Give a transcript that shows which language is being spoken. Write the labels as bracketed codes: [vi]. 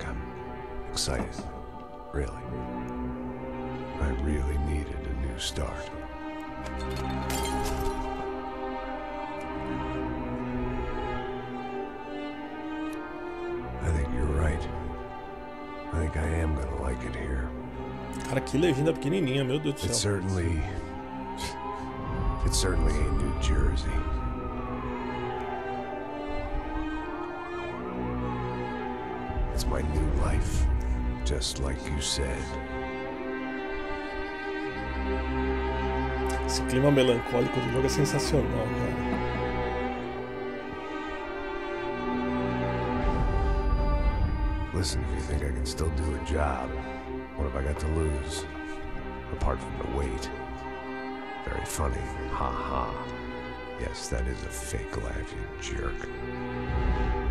[en] I'm excited. Really. I really needed a new start. I think you're right. I think I am gonna like it here. [pt] Cara, que legenda pequenininha, meu Deus do céu. [en] It certainly in New Jersey. It's my new life, just like you said. [pt] Esse clima melancólico do jogo é sensacional, cara. [en] Listen, if you think I can still do a job, what have I got to lose? Apart from the weight. Very funny. Ha ha. Yes, that is a fake laugh, you jerk.